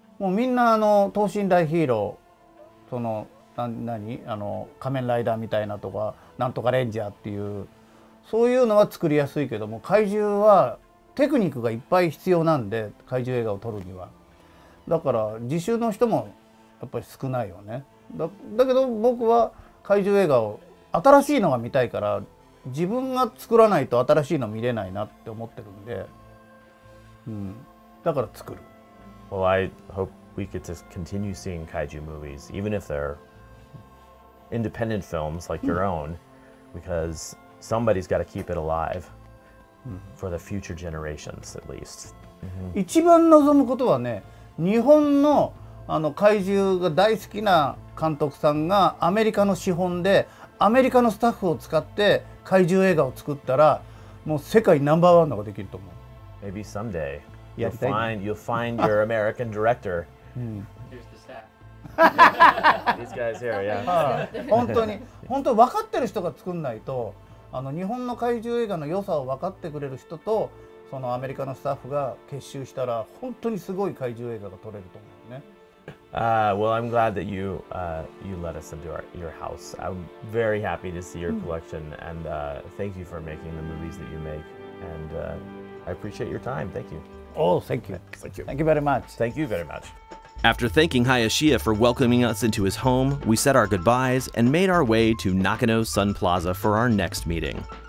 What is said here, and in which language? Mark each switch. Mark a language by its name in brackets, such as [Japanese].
[Japanese] 怪獣映画はね、日本ではあんまり商業的には儲からない。日本のマーケットが小さいんで、その見る人がマニアだけだと、その制作費が賄えないでしょ。で、やっぱり、でも、その自主映画で怪獣撮るって人は本当に少ない。もうみんな、等身大ヒーロー、その、 何、仮面ライダーみたいなとか、なんとかレンジャーっていう、そういうのは作りやすいけども、怪獣はテクニックがいっぱい必要なんで、怪獣映画を撮るには。だから、自主の人もやっぱり少ないよね。だけど僕は怪獣映画を新しいのが見たいから、自分が作らないと新しいの見れないなって思ってるんで、だから作る。 [English] Well, I hope we could just continue seeing kaiju movies, even if they're independent films like your own, because somebody's got to keep it alive for the future generations, at least. [Japanese] 一番望むことはね、日本の、あの怪獣が大好きな監督さんが、アメリカの資本でアメリカのスタッフを使って怪獣映画を作ったら、もう世界ナンバーワンのができると思う。 [English] Maybe someday you'll find your American director. Here's the staff. These guys here, yeah. [Japanese] 本当に分かってる人が作んないと、あの日本の怪獣映画の良さを分かってくれる人と、そのアメリカのスタッフが結集したら、本当にすごい怪獣映画が撮れると思うね。 [English] Well, I'm glad that you, you let us into your house. I'm very happy to see your collection, and thank you for making the movies that you make. And I appreciate your time. Thank you. Oh, thank you. Thank you. Thank you very much. Thank you very much. After thanking Hayashiya for welcoming us into his home, we said our goodbyes and made our way to Nakano Sun Plaza for our next meeting.